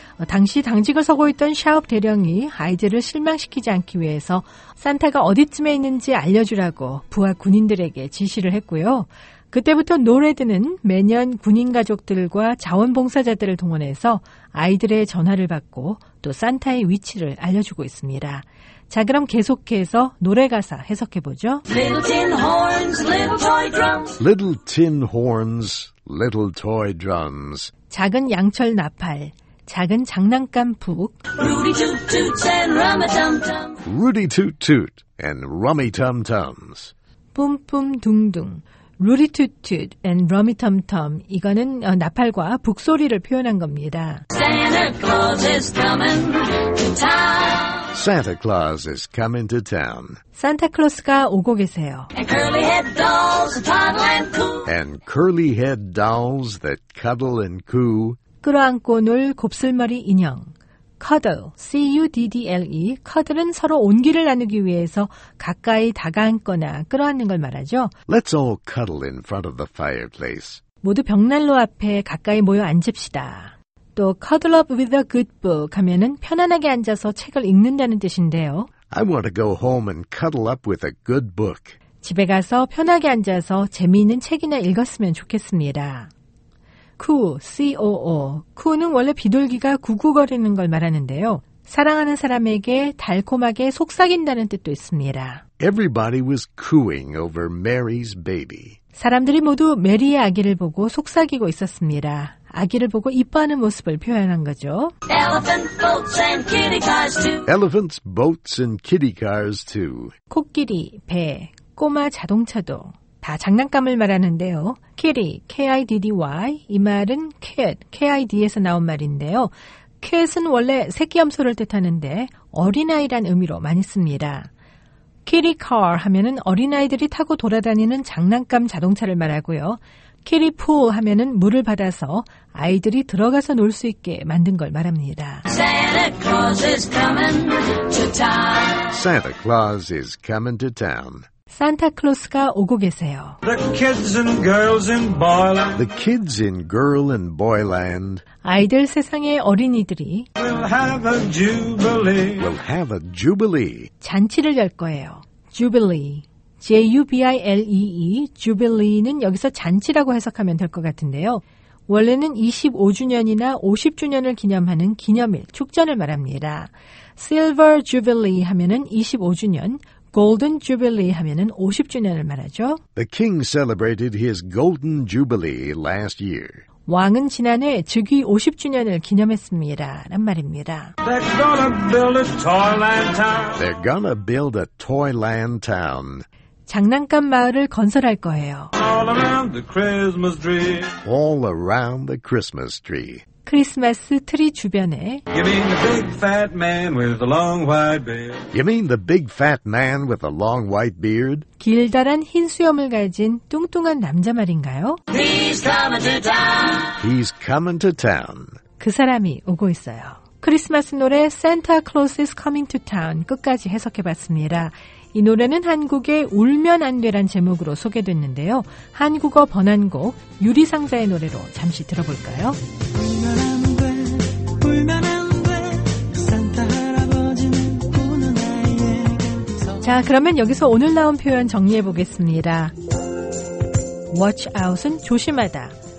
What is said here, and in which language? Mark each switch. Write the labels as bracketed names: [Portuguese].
[Korean] 당시 당직을 서고 있던 샤업 대령이 아이들을 실망시키지 않기 위해서 산타가 어디쯤에 있는지 알려주라고 부하 군인들에게 지시를 했고요. 그때부터 노레드는 매년 군인 가족들과 자원봉사자들을 동원해서 아이들의 전화를 받고 또 산타의 위치를 알려주고 있습니다. 자, 그럼 계속해서 노래 가사 해석해보죠. [English] Little tin horns, little toy drums. Little tin horns, little toy drums. [Korean] 작은 양철 나팔, 작은 장난감 북. [English] Rudy toot toot and rummy tum tum. Rudy toot toot and rummy tum tums. [Korean] 뿜뿜 둥둥. [English] Rudy toot toot and rummy tum tum. [Korean] 이거는 나팔과 북소리를 표현한 겁니다. [English] Santa Claus is coming to town. Santa Claus is coming to town. [Korean] Santa Claus가 오고 계세요. [English] And curly head dolls toddle and coo. And curly head dolls that cuddle and coo. [Korean] 끌어안고 놀 곱슬머리 인형. [English] Cuddle, C-U-D-D-L-E. [Korean] Cuddle은 서로 온기를 나누기 위해서 가까이 다가앉거나 끌어안는 걸 말하죠. [English] Let's all cuddle in front of the fireplace. [Korean] 모두 벽난로 앞에 가까이 모여 앉읍시다. 또 cuddle up with a good book 하면은 편안하게 앉아서 책을 읽는다는 뜻인데요. [English] I want to go home and cuddle up with a good book. [Korean] 집에 가서 편하게 앉아서 재미있는 책이나 읽었으면 좋겠습니다. [English] Coo, C-O-O. [Korean] Coo는 원래 비둘기가 구구거리는 걸 말하는데요. 사랑하는 사람에게 달콤하게 속삭인다는 뜻도 있습니다. [English] Everybody was cooing over Mary's baby. [Korean] 사람들이 모두 메리의 아기를 보고 속삭이고 있었습니다. 아기를 보고 이뻐하는 모습을 표현한 거죠. [English] Elephant boats and kitty cars too. Elephants, boats and kitty cars too. [Korean] 코끼리, 배, 꼬마 자동차도 다 장난감을 말하는데요. [English] Kitty, K-I-D-D-Y. [Korean] 이 말은 kid, K-I-D에서 나온 말인데요. Kid은 원래 새끼 염소를 뜻하는데 어린아이란 의미로 많이 씁니다. Kitty car 하면은 어린아이들이 타고 돌아다니는 장난감 자동차를 말하고요. Kitty pool 하면은 물을 받아서 아이들이 들어가서 놀 수 있게 만든 걸 말합니다. [English] Santa Claus is coming to town. Santa Claus is coming to town. [Korean] 산타 클로스가 오고 계세요. [English] The kids and girls in boyland. The kids in girl and boyland. [Korean] 아이들 세상의 어린이들이 [English] We'll have a jubilee. We'll have a jubilee. [Korean] 잔치를 열 거예요. Jubilee. J-U-B-I-L-E-E. Jubilee는 여기서 잔치라고 해석하면 될 것 같은데요. 원래는 25주년이나 50주년을 기념하는 기념일, 축전을 말합니다. Silver Jubilee 하면은 25주년, Golden Jubilee 하면은 50주년을 말하죠. [English] The king celebrated his golden jubilee last year. [Korean] 왕은 지난해 즉위 50주년을 기념했습니다. 라는 말입니다. [English] They're gonna build a toy land town. They're gonna build a toy land town. [Korean] 장난감 마을을 건설할 거예요. [English] All around the Christmas tree. All around the Christmas tree. [Korean] 크리스마스 트리 주변에 [English] You mean the big fat man with a long white beard? You mean the big fat man with a long white beard? [Korean] 길다란 흰 수염을 가진 뚱뚱한 남자 말인가요? [English] He's coming to town. He's coming to town. [Korean] 그 사람이 오고 있어요. 크리스마스 노래 Santa Claus is coming to town 끝까지 해석해 봤습니다. 이 노래는 한국의 울면 안 되란 제목으로 소개됐는데요. 한국어 번안곡 유리상자의 노래로 잠시 들어볼까요? 울면 안 돼, 울면 안 돼, 산타 할아버지는 우는 아이에게 자, 그러면 여기서 오늘 나온 표현 정리해 보겠습니다. Watch out은 조심하다.